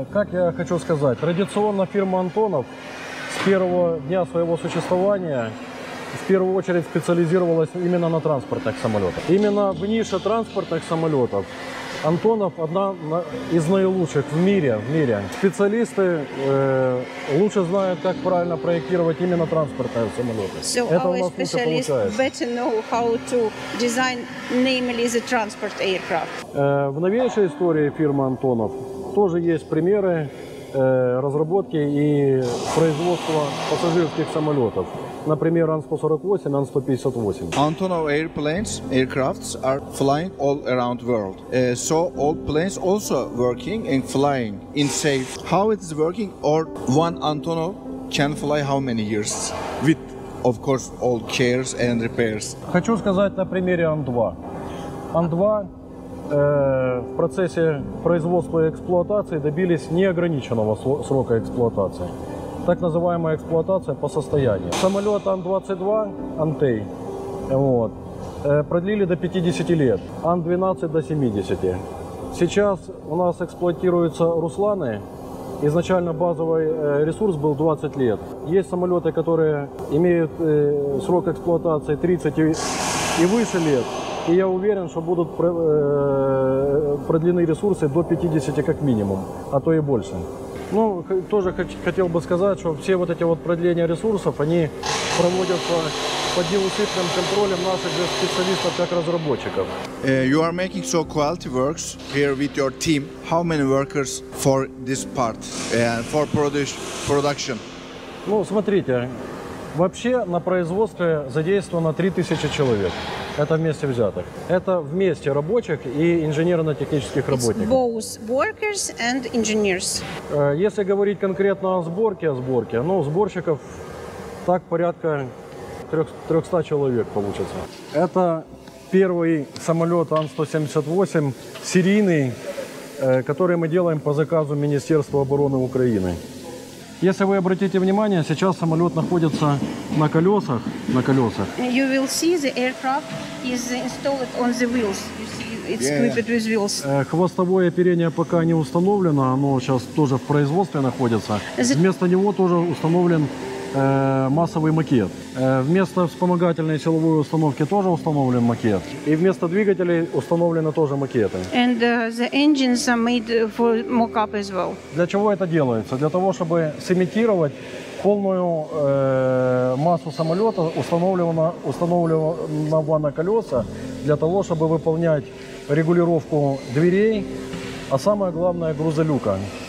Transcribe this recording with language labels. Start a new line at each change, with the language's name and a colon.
Russian: Как я хочу сказать, традиционно фирма Антонов с первого дня своего существования в первую очередь специализировалась именно на транспортных самолетах. Именно в нише транспортных самолетов Антонов одна из наилучших в мире. Специалисты лучше знают, как правильно проектировать именно транспортные самолеты. So это у нас лучше получается.
English: Our specialists better know how to design, namely, the transport aircraft.
Russian: В новейшей истории фирмы Антонов тоже есть примеры разработки и производства пассажирских самолетов. Например, AN-148, AN-158.
English: Antonov airplanes, aircrafts are flying all around the world. So all planes also working and flying in safe. How it is working or one Antonov can fly how many years? With, of course, all cares and repairs.
Russian: Хочу сказать на примере Ан-2. Ан-2 в процессе производства и эксплуатации добились неограниченного срока эксплуатации. Так называемая эксплуатация по состоянию. Самолет Ан-22, Антей, вот, продлили до 50 лет, Ан-12 до 70. Сейчас у нас эксплуатируются Русланы. Изначально базовый ресурс был 20 лет. Есть самолеты, которые имеют срок эксплуатации 30 и выше лет. И я уверен, что будут продлены ресурсы до 50 как минимум, а то и больше. Ну, тоже хотел бы сказать, что все вот эти вот продления ресурсов, они проводятся под неусыпным контролем наших же специалистов как разработчиков.
English: You are making so quality works here with your team. How many workers for this part and for production?
Russian: Ну, смотрите, вообще на производстве задействовано 3000 человек. Это вместе взятых. Это вместе рабочих и инженерно-технических работников.
English: It's both workers and engineers.
Russian: Если говорить конкретно о сборке, ну, сборщиков так порядка 300 человек получится. Это первый самолет АН-178 серийный, который мы делаем по заказу Министерства обороны Украины. Если вы обратите внимание, сейчас самолет находится на колесах.
English: You will see the aircraft is installed on the wheels. You see it's equipped with wheels.
Russian: Хвостовое оперение пока не установлено, оно сейчас тоже в производстве находится. Вместо него тоже установлен массовый макет. Вместо вспомогательной силовой установки тоже установлен макет. И вместо двигателей установлены тоже макеты.
English: And the engines are made for mock-up as well.
Russian: Для чего это делается? Для того, чтобы сымитировать полную массу самолета, установленного на колеса, для того, чтобы выполнять регулировку дверей, а самое главное — грузолюка.